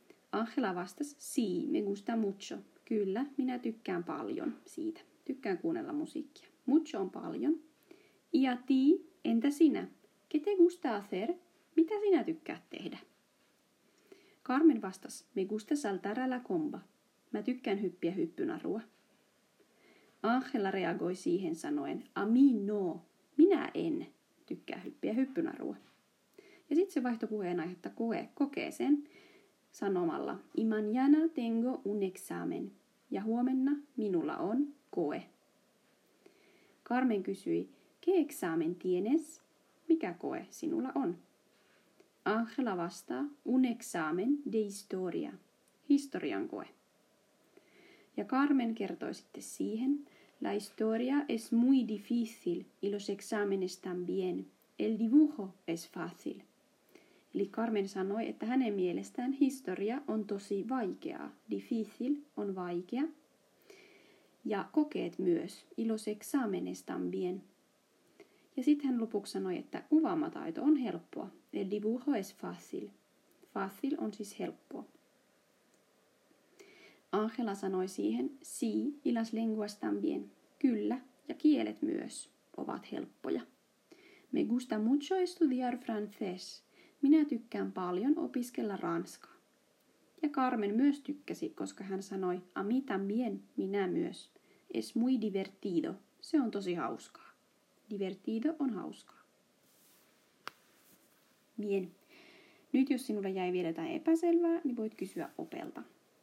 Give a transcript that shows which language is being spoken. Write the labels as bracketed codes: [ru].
[fi] Angela vastasi, [es] sí, me gusta mucho. [fi] Kyllä, minä tykkään paljon siitä. Tykkään kuunnella musiikkia. Mucho on paljon. [es] Y a ti, [fi] entä sinä? [es] ¿Qué te gusta hacer? [fi] Mitä sinä tykkäät tehdä? Carmen vastasi, [es] me gusta saltar a la comba. [fi] Mä tykkään hyppiä hyppynarua. Angela reagoi siihen sanoen, [es] a mí no, [fi] minä en tykkää hyppiä hyppynarua. Ja sitten se vaihtoi puheenaihetta kokeeseen sanomalla, [es] y mañana tengo un examen, [fi] ja huomenna minulla on koe. Carmen kysyi, [es] ¿qué examen tienes? [fi] Mikä koe sinulla on? Angela vastaa, [es] un examen de historia, [fi] historian koe. Ja Carmen kertoi sitten siihen, [es] la historia es muy difícil y los exámenes también. El dibujo es fácil. [fi] Eli Carmen sanoi, että hänen mielestään historia on tosi vaikeaa. Difícil on vaikea. Ja kokeet myös. [es] Y los exámenes también. [fi] Ja sitten hän lopuksi sanoi, että kuvaamataito on helppoa. [es] El dibujo es fácil. Fácil [fi] on siis helppoa. Angela sanoi siihen, [es] sí, y las lenguas también. [fi] Kyllä, ja kielet myös ovat helppoja. [es] Me gusta mucho estudiar francés. [fi] Minä tykkään paljon opiskella ranskaa. Ja Carmen myös tykkäsi, koska hän sanoi, [es] a mí también, [fi] minä myös. [es] Es muy divertido. [fi] Se on tosi hauskaa. Divertido on hauskaa. Bien. Nyt jos sinulle jäi vielä jotain epäselvää, niin voit kysyä opelta.